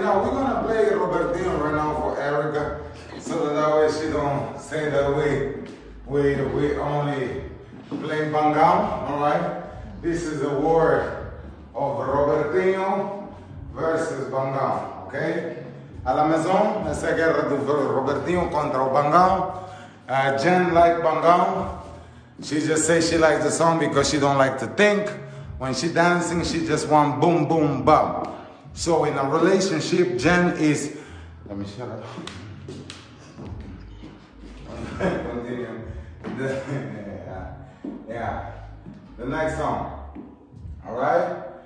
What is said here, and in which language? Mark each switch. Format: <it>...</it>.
<en>Now, we're going to play Robertinho right now for Erica, so that way she don't say that we only play bangam, all right? This is a war of Robertinho versus bangam, okay?</en> <fr>A la maison,</fr> <pt>essa é a guerra do Robertinho contra o bangam.</pt> <en>Jen like bangam. She just says she likes the song because she don't like to think. When she dancing, she just want boom, boom, bop. So in a relationship, Jen is... Let me shut up. Continue. Yeah. The next song. All right.</en>